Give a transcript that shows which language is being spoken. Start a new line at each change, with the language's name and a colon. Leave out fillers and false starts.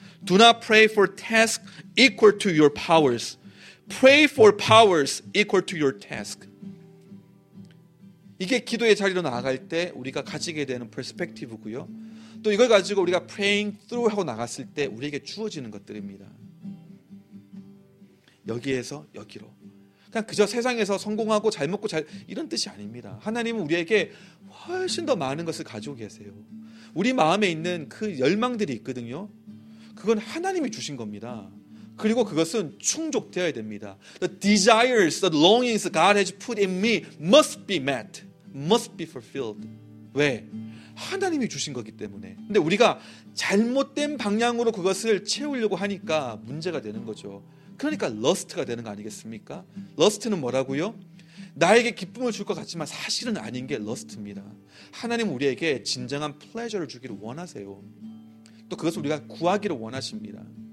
English: Do not pray for tasks equal to your powers. Pray for powers equal to your task.
Korean: 이게 기도의 자리로 나아갈 때 우리가 가지게 되는 퍼스펙티브고요. 또 이걸 가지고 우리가
English: praying through
Korean: 하고 나갔을 때 우리에게 주어지는 것들입니다. 여기에서 여기로. 그냥 그저 세상에서 성공하고 잘 먹고 잘 이런 뜻이 아닙니다. 하나님은 우리에게 훨씬 더 많은 것을 가지고 계세요. 우리 마음에 있는 그 열망들이 있거든요. 그건 하나님이 주신 겁니다. 그리고 그것은 충족되어야 됩니다.
English: The desires, the longings God has put in me must be met, must be fulfilled.
Korean: 왜? 하나님이 주신 거기 때문에. 근데 우리가 잘못된 방향으로 그것을 채우려고 하니까 문제가 되는 거죠. 그러니까 러스트가 되는 거 아니겠습니까? 러스트는 뭐라고요? 나에게 기쁨을 줄 것 같지만 사실은 아닌 게 러스트입니다. 하나님 우리에게 진정한 pleasure를 주기를 원하세요. 또 그것을 우리가 구하기를 원하십니다.